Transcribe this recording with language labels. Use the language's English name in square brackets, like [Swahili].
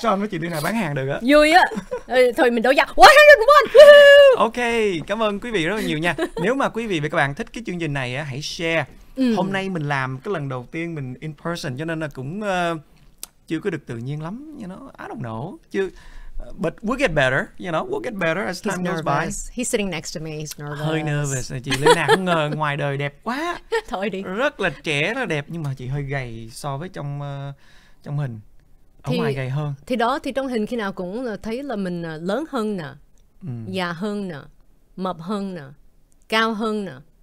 [Vietnamese] Sao mấy chị đi nào bán hàng được á. Vui á. Thôi mình đấu giá 101. Ok, cảm ơn quý vị rất là nhiều nha. Nếu mà quý vị và các bạn thích cái chương trình này á, hãy share. Hôm nay mình làm cái lần đầu tiên mình in person, cho nên là cũng chưa có được tự nhiên lắm, [English] you know, I don't know. [Vietnamese] Chưa. [English] But we'll get better, you know, we'll get better as time he's goes nervous. By. He's sitting next to me, he's nervous. [Vietnamese] Hơi nervous, chị Leyna không ngờ ngoài đời đẹp quá. Thôi đi. Rất là trẻ, rất là đẹp, nhưng mà chị hơi gầy so với trong trong hình. Ở ngoài gầy hơn. Thì đó, thì trong hình khi nào cũng thấy là mình lớn hơn nè, già hơn nè, mập hơn nè, cao hơn nè.